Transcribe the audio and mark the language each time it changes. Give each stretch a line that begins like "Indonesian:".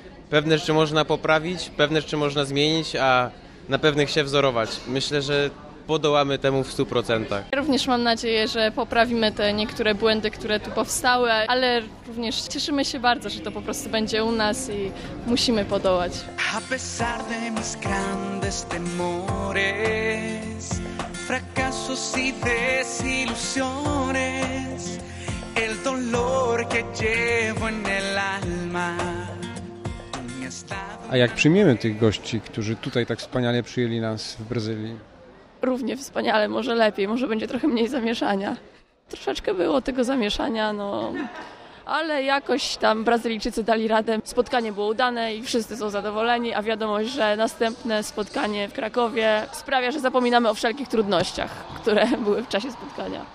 Polish: Pewne rzeczy można poprawić, pewne rzeczy można zmienić, a na pewnych się wzorować. Myślę, że podołamy temu w 100%. Również mam nadzieję, że poprawimy te niektóre błędy, które tu powstały, ale również cieszymy się bardzo, że to po prostu będzie u nas i musimy podołać.
Spanish: A pesar de mis grandes temores, fracasos y desilusiones, el dolor que llevo en el alma.
Polish: A jak przyjmiemy tych gości, którzy tutaj tak wspaniale przyjęli nas w Brazylii? Równie wspaniale, może lepiej, może będzie trochę mniej zamieszania. Troszeczkę było tego zamieszania, no, ale jakoś tam Brazylijczycy dali radę. Spotkanie było udane i wszyscy są zadowoleni, a wiadomość, że następne spotkanie w Krakowie sprawia, że zapominamy o wszelkich trudnościach, które były w czasie spotkania.